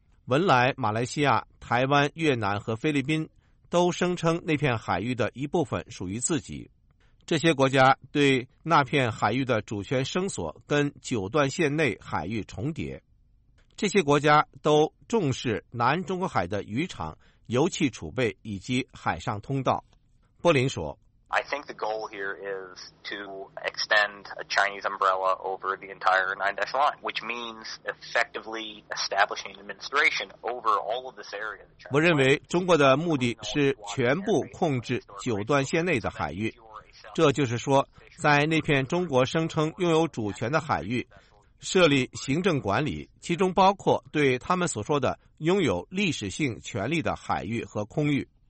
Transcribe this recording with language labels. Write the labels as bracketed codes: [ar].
[zh] 文莱、马来西亚、台湾、越南和菲律宾都声称那片海域的一部分属于自己。这些国家对那片海域的主权声索跟9段线内海域重叠。这些国家都重视南中国海的渔场、油气储备以及海上通道。波林说， [en] I think the goal here is to extend a Chinese umbrella over the entire 9-dash line, which means effectively establishing administration over all of this area. [zh] 我认为中国的目的是全部控制9段线内的海域。这就是说，在那片中国声称拥有主权的海域设立行政管理，其中包括对他们所说的拥有历史性权利的海域和空域。